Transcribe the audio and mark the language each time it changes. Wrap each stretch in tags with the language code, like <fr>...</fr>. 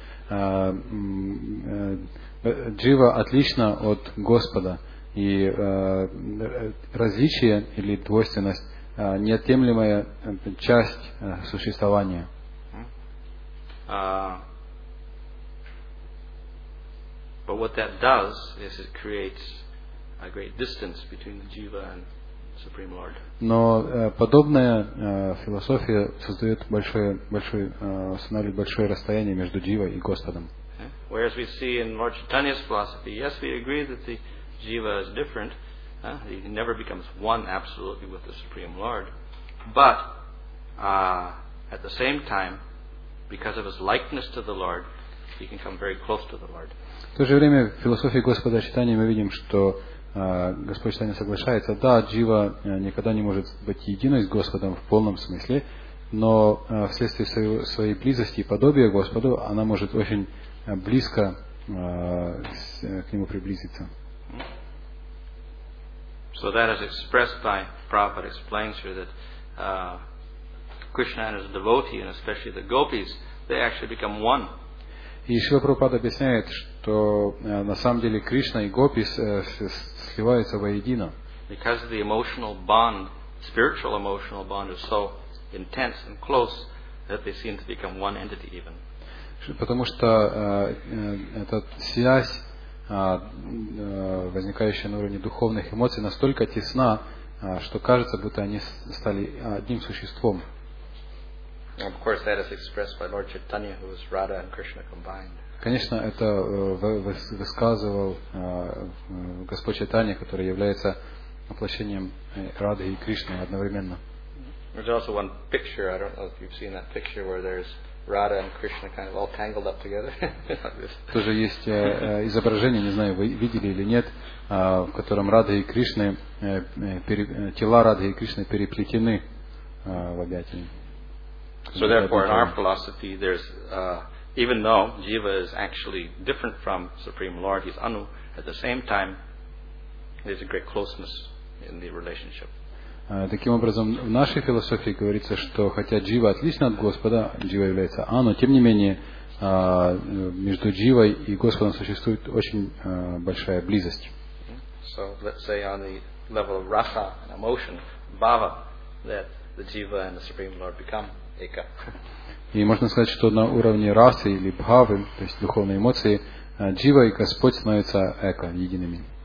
<ru>Jiva отлична от Господа, и различие или двойственность неотъемлемая часть существования.</ru> <en>But what that does is it creates a great distance between the jiva and the Supreme Lord.</en> <ru>Но подобная философия создает большое расстояние между дживой и Господом.</ru> <en>Whereas we see in Lord Chaitanya's philosophy, yes, we agree that the jiva is different. He never becomes one absolutely with the Supreme Lord. But at the same time, because of his likeness to the Lord, he can come very close to the Lord.</en> <ru>В то же время в философии Господа Чайтаньи мы видим, что Господь Чайтанья соглашается, да, джива никогда не может быть единой с Господом в полном смысле, но вследствие своей близости и подобия Господу она может очень близко к Нему приблизиться.</ru> <en>So that is expressed by Prabhupada explains here that Krishna and his devotee, and especially the gopis, they actually become one.</en> <ru>И Шрила Прабхупада объясняет, что на самом деле Кришна и Гопи сливаются воедино.</ru> <en>Because the emotional bond, spiritual emotional bond is so intense and close that they seem to become one entity even.</en> <ru>Потому что эта связь, возникающая на уровне духовных эмоций, настолько тесна, что кажется, будто они стали одним существом.</ru> <en>Of course, that is expressed by Lord Chaitanya, who is Radha and Krishna combined.</en> <ru>Конечно, это высказывал Господь Чайтанья, который является воплощением Рады и Кришны одновременно.</ru> <en>There's also one picture. I don't know if you've seen that picture where there's Radha and Krishna kind of all tangled up together.</en> <ru>Тоже есть изображение, не знаю, вы видели или нет, в котором Радха и Кришна, тела Радхи и Кришны переплетены в объятии.</ru> <en>So therefore, in our philosophy, there's even though Jiva is actually different from Supreme Lord, he's Anu, at the same time, there's a great closeness in the relationship.</en> <ru>Таким образом, в нашей философии говорится, что хотя Джива отлична от Господа, Джива является Ану, тем не менее, между Дживой и Господом существует очень большая близость.</ru> <en>So, let's say on the level of Raha, emotion, Bhava, that the Jiva and the Supreme Lord become Eka.</en> <ru>И можно сказать, что на уровне Расы или Бхавы, то есть духовной эмоции, Джива и Господь становятся Эко, едиными.</ru>